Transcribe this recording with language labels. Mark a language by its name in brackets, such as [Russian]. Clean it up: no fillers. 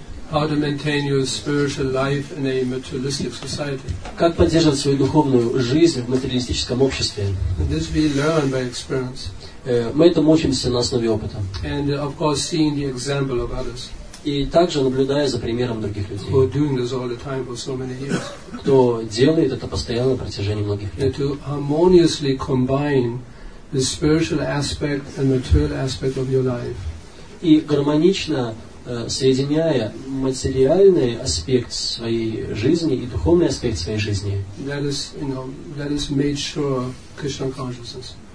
[English] How to maintain your spiritual life in a materialistic society? [Russian] Как поддерживать свою духовную жизнь в материалистическом обществе? [English] This we learn by experience. [Russian] Мы этому учимся на основе опыта. [English] And of course, seeing the example of others. [Russian] И также наблюдая за примером других людей. [English] Who are doing this all the time for so many years. [Russian] Кто делает это постоянно на протяжении многих лет. [English] And to harmoniously combine the spiritual aspect and material aspect of your life. [Russian] И гармонично соединяя материальный аспект своей жизни и духовный аспект своей жизни. [English] That is, you know, that is made sure Krishna consciousness.